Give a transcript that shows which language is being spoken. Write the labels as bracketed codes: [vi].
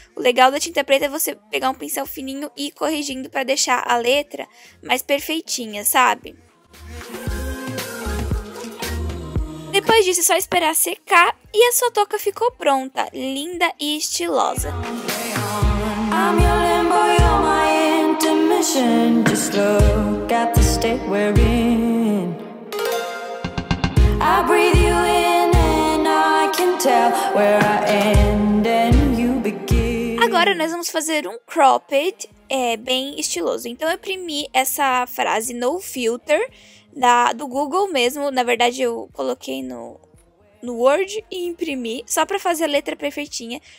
[pt] O legal da tinta preta é você pegar um pincel fininho e ir corrigindo pra deixar a letra mais perfeitinha, sabe? Depois disso é só esperar secar e a sua touca ficou pronta, linda e estilosa. [en] I'm your limbo, you're my intermission. Just look at the state we're in. I breathe you in and I can tell where I end and you begin. [pt] Agora nós vamos fazer um cropped, bem estiloso. Então eu imprimi essa frase no filter do Google mesmo. Na verdade eu coloquei no Word e imprimi, só pra fazer a letra perfeitinha.